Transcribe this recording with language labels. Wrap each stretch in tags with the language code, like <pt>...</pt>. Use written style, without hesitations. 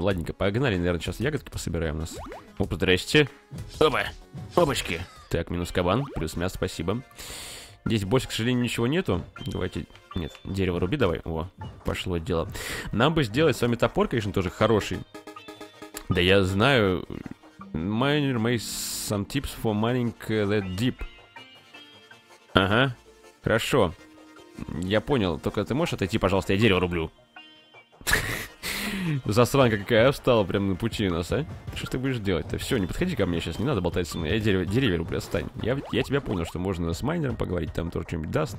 <ru>Ладненько, погнали, наверное, сейчас ягодки пособираем у нас. Оп, здрасте. Опа, опачки. Так, минус кабан, плюс мясо, спасибо. Здесь больше, к сожалению, ничего нету. Давайте, нет, дерево руби давай. О, пошло дело. Нам бы сделать с вами топор, конечно, тоже хороший. Да я знаю.</ru> <en>Miner made some tips for mining that deep.</en> <ru>Ага, хорошо. Я понял, только ты можешь отойти, пожалуйста, я дерево рублю. Засранка какая встала прямо на пути у нас, а? Что ты будешь делать-то? Все, не подходи ко мне сейчас, не надо болтать со мной. Я деревья рублю, отстань. Я тебя понял, что можно с майнером поговорить, там тоже что-нибудь даст.</ru>